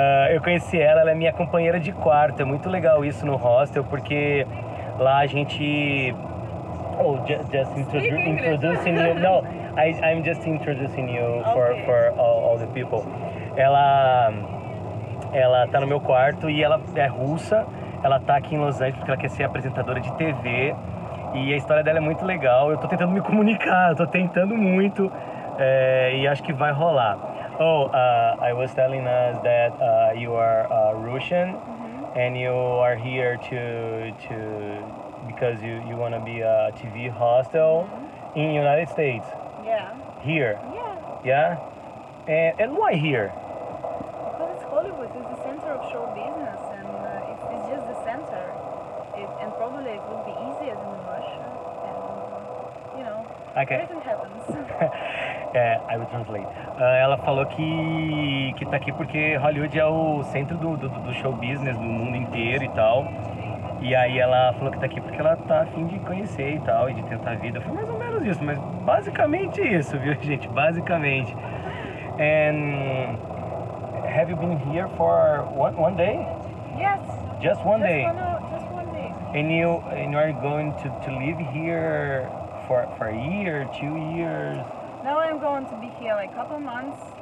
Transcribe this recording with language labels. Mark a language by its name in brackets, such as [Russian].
[Portuguese] Eu conheci ela é minha companheira de quarto. É muito legal isso no hostel, porque lá a gente... [English] Oh, just introducing you. No, I'm just introducing you for all the people. [Portuguese] Ela tá no meu quarto e ela é russa. Ela tá aqui em Los Angeles porque ela quer ser apresentadora de TV. E a história dela é muito legal. Eu tô tentando me comunicar, tô tentando muito. E acho que vai rolar. [English] Oh, I was telling us that you are Russian. Mm-hmm. And you are here to because you want to be a TV hostel. Mm-hmm. In United States. Yeah. Here. Yeah. Yeah? And why here? Because it's Hollywood. It's the center of show business. It's just the center, and probably it would be easier than in Russia, and, you know, okay. Everything happens. I will translate. [Portuguese] Ela falou que tá aqui porque Hollywood é o centro do show business do mundo inteiro e tal. E aí ela falou que tá aqui porque ela tá a fim de conhecer e tal, e de tentar a vida. Foi mais ou menos isso, mas basicamente isso, viu, gente? Basicamente. [English] And have you been here for one day? Yes. Just one day. Just one day. And you are going to live here for a year, 2 years? Now I'm going to be here like a couple months.